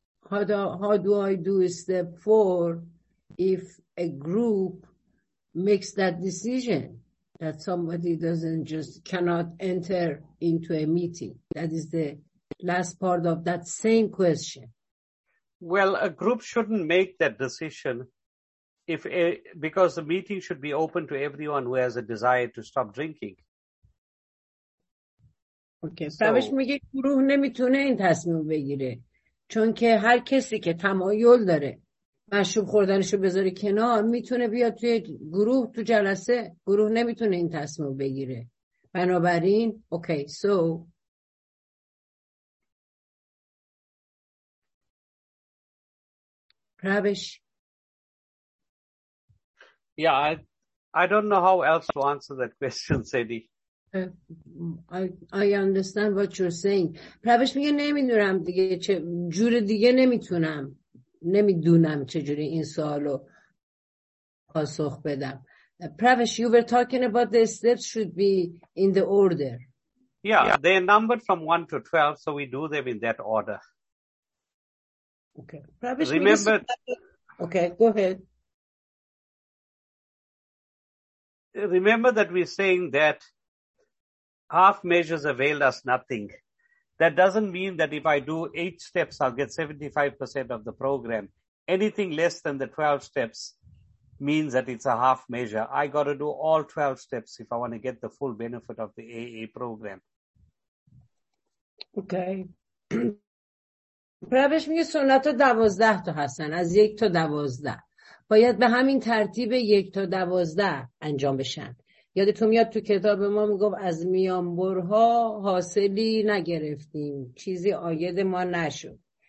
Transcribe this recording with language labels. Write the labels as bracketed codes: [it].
[en] How do I do step four if a group makes that decision that somebody doesn't just cannot enter into a meeting? That is the last part of that same question. Well, a group shouldn't make that decision because the meeting should be open to everyone who has a desire to stop drinking. [fa] اوکی. سوش میگه گروه نمیتونه این تصمیم بگیره، چون که هر کسی که تمایل داره مشروب خوردنشو بذاره کنار میتونه بیاد توی گروه، تو جلسه گروه نمیتونه این تصمیم بگیره. بنابراین اوکی، سو روش [en] یا I don't know how else to answer that question, Sadie. I understand what you're saying. [fa] پروش میگه نمیدونم دیگه، چه جور دیگه نمیتونم، نمیدونم چه جوری این سوالو پاسخ بدم. [en] پروش, you were talking about the steps should be in the order. Yeah, they are numbered from 1 to 12, so we do them in that order. Okay. پروش, remember. Okay, go ahead. Remember that we're saying that half measures avail us nothing. That doesn't mean that if I do 8 steps, I'll get 75% of the program. Anything less than the 12 steps means that it's a half measure. I got to do all 12 steps if I want to get the full benefit of the AA program. Okay. [fa] Pravesh, میگه سنت 12 تا هستن، از 1 تا 12. باید به همین ترتیب 1 تا 12 انجام بشن. یادتون میاد تو کتاب ما میگفت از میانبرها حاصلی نگرفتیم، چیزی آید ما نشد.